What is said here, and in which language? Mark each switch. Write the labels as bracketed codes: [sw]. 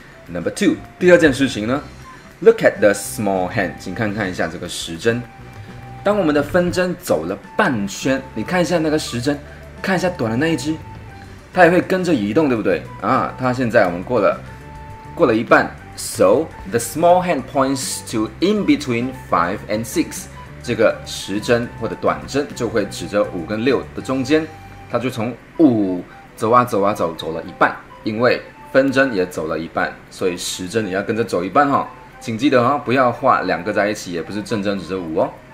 [en] Number two, [zh] 第二件事情呢？ [en] Look at the small hand, [zh] 请看看一下这个时针。当我们的分针走了半圈，你看一下那个时针，看一下短的那一只。它也会跟着移动，对不对？啊，它现在我们过了一半。 [en] So the small hand points to in between 5 and 6. [zh] 这个时针或者短针就会指着五跟六的中间，它就从五走啊走啊走，走了一半，因为分针也走了一半，所以时针也要跟着走一半哈、哦。请记得哦，不要画两个在一起，也不是正正指着五哦。